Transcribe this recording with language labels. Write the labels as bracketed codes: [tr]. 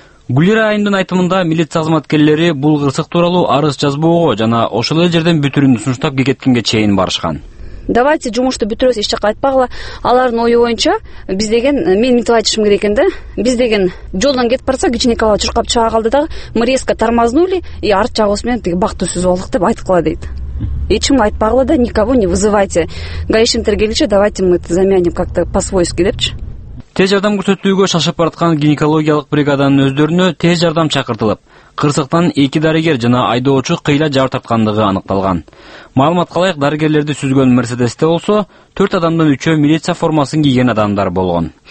[ky] Гүлира айымдын айтымында милиция кызматкерлери бул кырсык тууралуу арыз жазбоого жана ошол эле жерден бүтүрүүнү сунуштап кекеткенге чейин барышкан. [ru] Давайте [ky] жумушту бүтүрөбүз, эч жака айтпагыла. Алардын ою боюнча биз деген мен минтип айтышым керек экен да, биз деген жолдон кетип барса кичинекала чуркап чыга калды дагы, [ru] мы резко тормознули [ky] и арт жагыбыз менен тиги бактуу сүзүп алдык деп айткыла дейт. Эч ким айтпагыла да, [ru] никого не вызывайте. [ky] Гаишимдер келиче, [ru] давайте мы это заменим как-то по-свойски [ky] депчи. Тез жардам көрсөтүүгө шашып бараткан гинекологиялык бригаданын өздөрүнө тез жардам чакыртылып, кырсыктан эки дарыгер жана айдоочу кыйла жабыр тарткандыгы аныкталган. Маалыматка ылайык, дарыгерлерди сүзгөн Мерседесте болсо, 4 адамдан 3 милиция формасын кийген адамдар болгон.